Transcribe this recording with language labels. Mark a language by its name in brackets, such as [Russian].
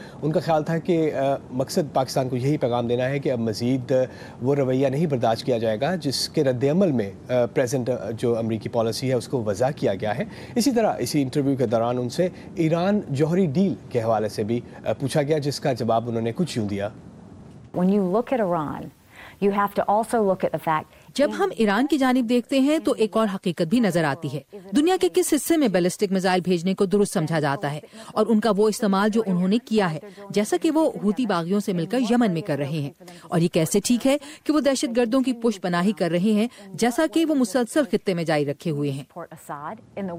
[Urdu] ان کا خیال تھا کہ مقصد پاکستان کو یہی پیغام دینا ہے کہ اب مزید وہ رویہ نہیں برداشت کیا جائے گا جس کے رد عمل میں پریزنٹ جو امریکی پالیسی ہے اس کو وضع کیا گیا ہے. اسی طرح اسی انٹرویو کے دوران ان سے ایران جوہری ڈیل کے حوالے سے بھی پوچھا گیا جس کا جواب انہوں نے کچھ یوں دیا. [English] When you look at Iran, you have to also look at the fact. [Urdu] جب ہم ایران کی جانب دیکھتے ہیں تو ایک اور حقیقت بھی نظر آتی ہے, دنیا کے کس حصے میں بیلسٹک میزائل بھیجنے کو درست سمجھا جاتا ہے اور ان کا وہ استعمال جو انہوں نے کیا ہے, جیسا کہ وہ ہوتی باغیوں سے مل کر یمن میں کر رہے ہیں, اور یہ کیسے ٹھیک ہے کہ وہ دہشت گردوں کی پشت پناہی کر رہے ہیں جیسا کہ وہ مسلسل خطے میں جاری رکھے ہوئے ہیں.